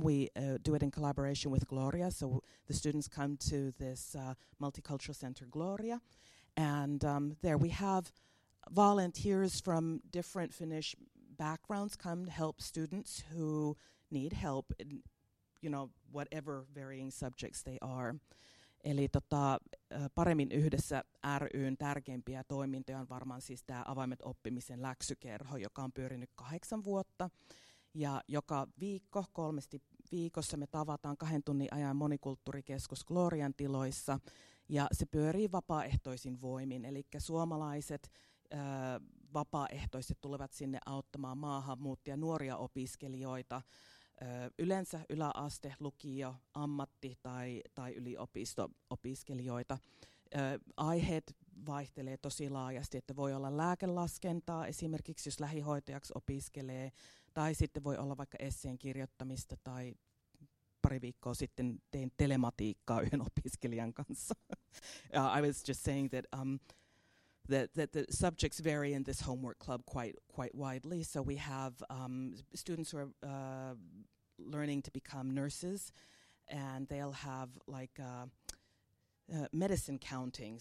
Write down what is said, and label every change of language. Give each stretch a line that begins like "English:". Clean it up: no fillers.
English: We do it in collaboration with Gloria. So the students come to this multicultural center, Gloria, And there we have volunteers from different Finnish backgrounds come to help students who need help in, you know, whatever varying subjects they are.
Finnish: Eli paremmin yhdessä ry:n tärkeimpiä toimintoja on varmaan siis tämä avaimet oppimisen läksykerho, joka on pyörinyt 8 vuotta. Ja joka viikko, 3 viikossa me tavataan 2 tunnin ajan monikulttuurikeskus Glorian tiloissa. Ja se pyörii vapaaehtoisin voimin. Eli suomalaiset vapaaehtoiset tulevat sinne auttamaan maahanmuuttajia, nuoria opiskelijoita. Yleensä yläaste, lukio, ammatti tai yliopisto-opiskelijoita. Aiheet vaihtelee tosi laajasti, että voi olla lääkelaskentaa esimerkiksi, jos lähihoitajaksi opiskelee, tai sitten voi olla vaikka esseen kirjoittamista, tai pari viikkoa sitten tein telematiikkaa yhden opiskelijan kanssa.
English: I was just saying that that the subjects vary in this homework club quite widely. So we have students who are learning to become nurses, and they'll have like medicine counting.